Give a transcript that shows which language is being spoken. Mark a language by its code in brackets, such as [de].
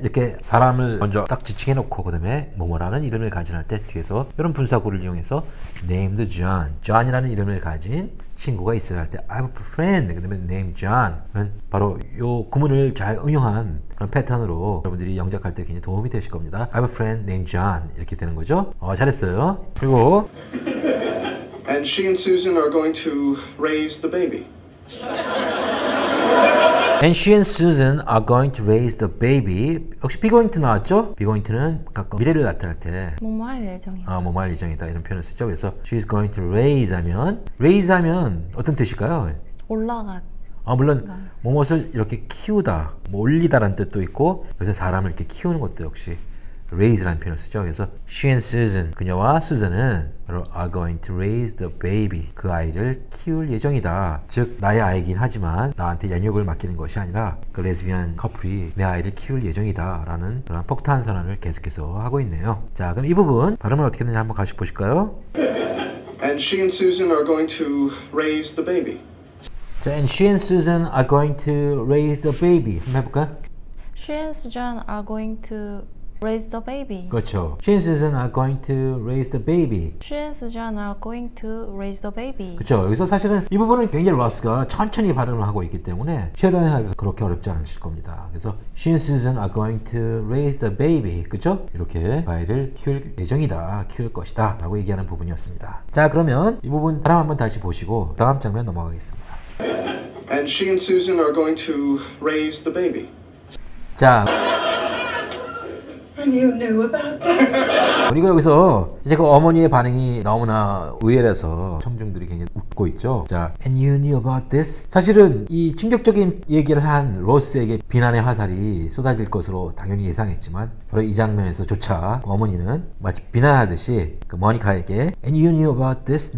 [ko] 이렇게 사람을 먼저 딱 지칭해 놓고 그다음에 뭐뭐라는 이름을 가진 할 때 뒤에서 이런 분사구를 이용해서 [en] named John. [ko] John이라는 이름을 가진 친구가 있어야 할 때 [en] I have a friend. [ko] 그다음에 named John은 바로 요 구문을 잘 응용한 그런 패턴으로 여러분들이 영작할 때 굉장히 도움이 되실 겁니다. [en] I have a friend named John. [ko] 이렇게 되는 거죠. 어, 잘했어요. 그리고 [en] And she and Susan are going to raise the baby. And she and Susan are going to raise the baby. [ko] 역시 be going to 나왔죠? be going to는 가끔 미래를 나타낼 때 뭐뭐할 예정이다. 아, 뭐뭐할 예정이다 이런 표현을 쓰죠. 그래서 [en] she is going to raise [ko] 하면 raise 하면 어떤 뜻일까요? 올라가. 아, 물론 뭐뭐를 이렇게 키우다, 뭐 올리다라는 뜻도 있고 요새 사람을 이렇게 키우는 것도 역시 raise라는 표현을 쓰죠. [en] 그래서 she and Susan, [ko] 그녀와 Susan은 [en] are going to raise the baby. [ko] 그 아이를 키울 예정이다. 즉, 나의 아이긴 하지만 나한테 양육을 맡기는 것이 아니라 그 레즈비언 커플이 내 아이를 키울 예정이다 라는 그런 폭탄 선언을 계속해서 하고 있네요. 자, 그럼 이 부분 발음을 어떻게 했는지 한번 같이 보실까요? [en] And she and Susan are going to raise the baby. 자, and she and Susan are going to raise the baby. [ko] 한번 해볼까요? [en] She and Susan are going to raise the baby. [ko] 그렇죠. [en] She and Susan are going to raise the baby. She and Susan are going to raise the baby. [ko] 그렇죠. 여기서 사실은 이 부분은 굉장히 러스가 천천히 발음을 하고 있기 때문에 쉐도잉하기가 그렇게 어렵지 않으실 겁니다. [en] 그래서 She and Susan are going to raise the baby. [ko] 그렇죠? 이렇게 아이를 키울 예정이다. 키울 것이다. 라고 얘기하는 부분이었습니다. 자, 그러면 이 부분 발음 한번 다시 보시고 다음 장면 넘어가겠습니다. [en] And she and Susan are going to raise the baby. [ko] 자, [en] And you knew about this. [ko] 그리고 여기서 이제 그 어머니의 반응이 너무나 의외라서 청중들이 굉장히 웃고 있죠. 자, [en] And you knew about this? [ko] 사실은 이 충격적인 얘기를 한 로스에게 비난의 화살이 쏟아질 것으로 당연히 예상했지만 바로 이 장면에서조차 그 어머니는 마치 비난하듯이 그 모니카에게 And you knew about this?